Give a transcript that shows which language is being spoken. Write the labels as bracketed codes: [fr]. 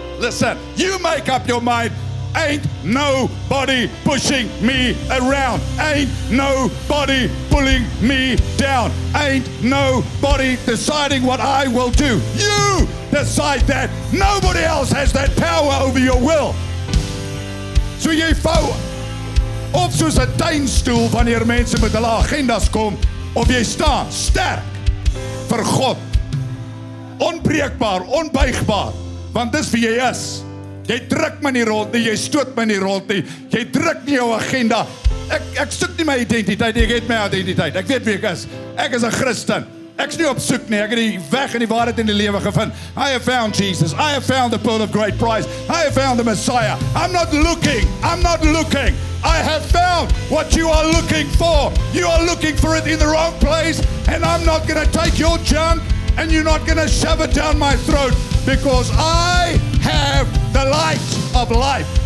[en] Listen, you make up your mind. Ain't nobody pushing me around. Ain't nobody pulling me down. Ain't nobody deciding what I will do. You decide that. Nobody else has that power over your will. [af] So jy vou op soos 'n tuinstoel wanneer mense met hulle agendas kom, of jy staan sterk vir God. Onbreekbaar, onbuigbaar, want dis wie jy is. Jy druk my nie rond nie, jy stoot my nie rond nie. Jy druk nie jou agenda. Ek soek nie my identiteit, ek het my identiteit. Ek weet wie ek is. Ek is 'n Christen. Ek's nie op soek nie. Ek het die weg en die waarheid in die lewe gevind. [en] I have found Jesus. I have found the pearl of great price. I have found the Messiah. I'm not looking. I have found what you are looking for. You are looking for it in the wrong place, and I'm not going to take your junk, and you're not going to shove it down my throat, because I have the light of life.